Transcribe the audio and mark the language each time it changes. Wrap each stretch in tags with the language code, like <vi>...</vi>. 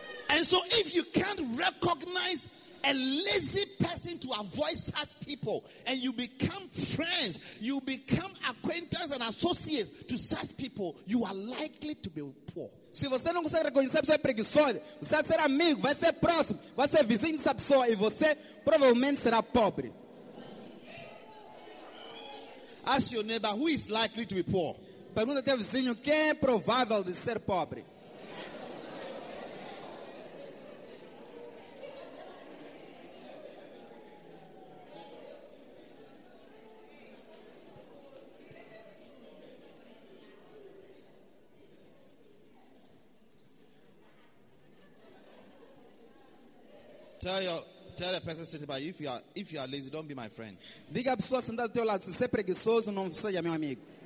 <en>And so if you can't recognize a lazy person to avoid such people, and you become friends, you become acquaintances and associates to such people, you are likely to be poor.</en> <pt>Se você não consegue reconhecer a pessoa preguiçosa, você vai ser amigo, vai ser próximo, vai ser vizinho dessa pessoa, e você provavelmente será pobre.</pt> <en>Ask your neighbor, who is likely to be poor?</en> <pt>Pergunta teu vizinho, quem é provável de ser pobre?</pt> <en>Tell the person sitting by you, if you are lazy, don't be my friend.</en> <pt>Diga a pessoa sentada ao teu lado, se você é preguiçoso, não seja meu amigo.</pt>